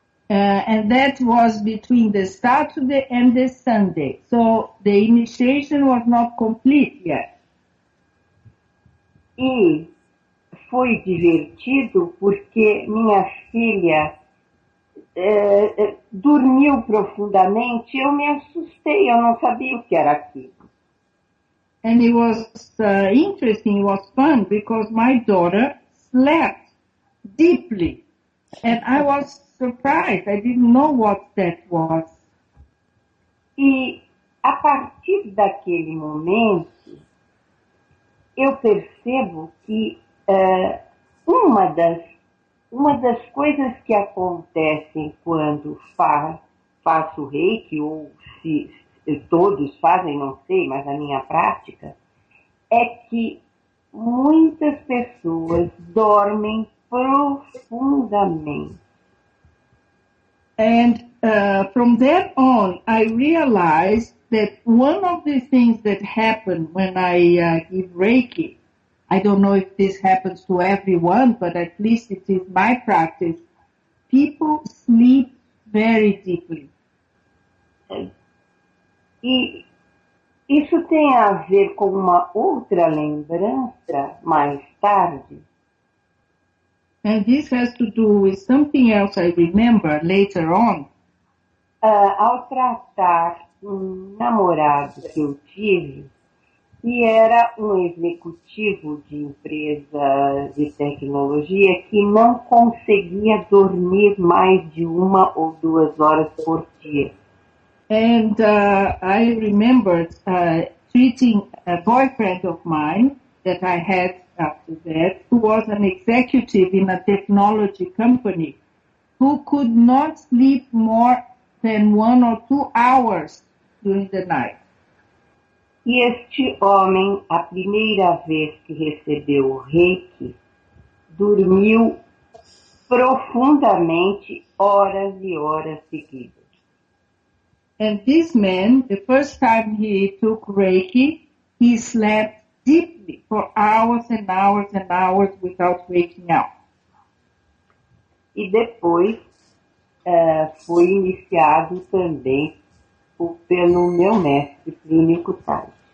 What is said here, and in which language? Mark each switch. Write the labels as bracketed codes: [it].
[en] And that was between the Saturday and the Sunday. So the initiation was not complete yet. [pt] E foi divertido porque minha filha dormiu profundamente e eu me assustei, eu não sabia o que era aquilo. [en] And it was interesting, it was fun because my daughter slept deeply. And I was surprised, I didn't know what that was. [pt] E a partir daquele momento, eu percebo que uma das coisas que acontecem quando faço reiki, ou se todos fazem, não sei, mas a minha prática, é que muitas pessoas dormem profundamente. [en] And from then on, I realized that one of the things that happened when I give Reiki, I don't know if this happens to everyone, but at least it is my practice, people sleep very deeply. [pt] E isso tem a ver com uma outra lembrança mais tarde. [en] And this has to do with something else I remember later on. [pt] Ao tratar um namorado que eu tive, que era um executivo de empresa de tecnologia que não conseguia dormir mais de uma ou duas horas por dia. [en] And I remembered treating a boyfriend of mine that I had after that, who was an executive in a technology company, who could not sleep more than 1 or 2 hours during the night. [pt] E este homem, a primeira vez que recebeu o reiki, dormiu profundamente horas e horas seguidas. [en] And this man, the first time he took reiki, he slept deeply for hours and hours and hours without waking up. [pt] E depois foi iniciado também pelo meu mestre Plínio Cutari.